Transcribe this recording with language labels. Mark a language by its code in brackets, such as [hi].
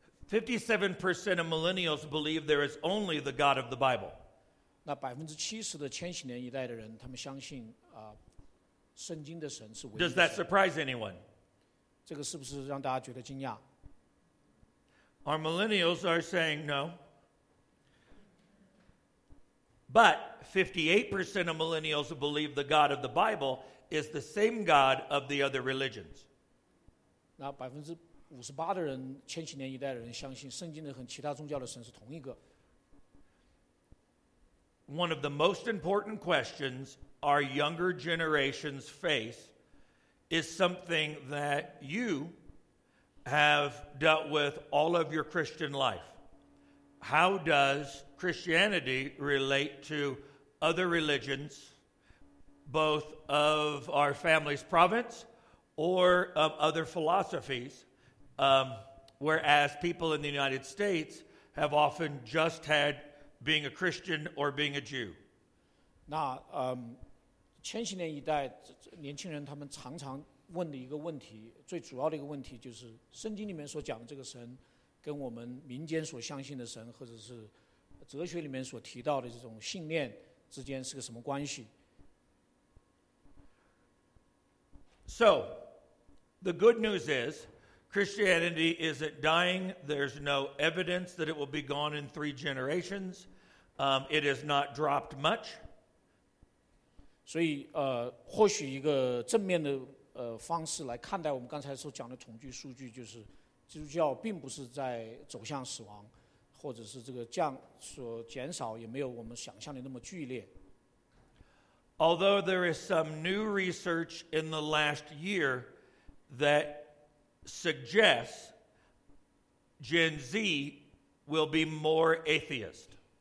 [en] 57% of millennials believe there is only the God of the Bible. [zh] 那70%的千禧年一代的人，他们相信圣经的神是唯一的神。 [en] Does that surprise anyone? [zh] 这个是不是让大家觉得惊讶？ [en] Our millennials are saying no. But 58% of millennials believe the God of the Bible is the same God of the other religions. [zh] 那58%的人，千禧年一代的人相信圣经的和其他宗教的神是同一个。 [en] One of the most important questions our younger generations face is something that you have dealt with all of your Christian life. How does Christianity relate to other religions, both of our family's province or of other philosophies, whereas people in the United States have often just had being a Christian or being a Jew? [zh] 那千禧年一代年轻人他们常常问的一个问题，最主要的一个问题就是圣经里面所讲的这个神跟我们民间所相信的神或者是哲学里面所提到的这种信念之间是个什么关系。 [en] So the good news is Christianity isn't dying. There's no evidence that it will be gone in 3 generations. It has not dropped much. [zh] 所以或许一个正面的方式来看待我们刚才所讲的统计数据，就是基督教并不是在走向死亡，或者是这个降所减少也没有我们想象的那么剧烈。 [en] Although there is some new research in the last year that suggests Gen Z will be more atheist.